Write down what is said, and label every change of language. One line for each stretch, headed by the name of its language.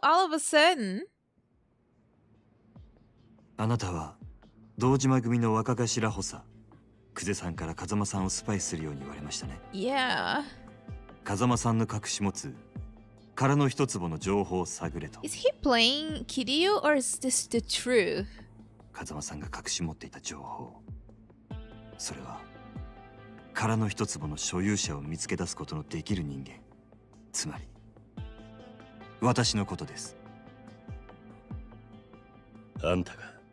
English: All of a sudden?
Japanese: あなたは堂島組の若頭補佐久世さんから風間さんをスパイするように言われましたね。
English: Yeah.
Japanese: 風間さんの隠し持つ空の一つぼの情報を探れと。
English: Is he playing Kiryu or is this the truth?
Japanese: 風間さんが隠し持っていた情報、それは空の一つぼの所有者を見つけ出すことのできる人間、つまり私のことです。あんたが。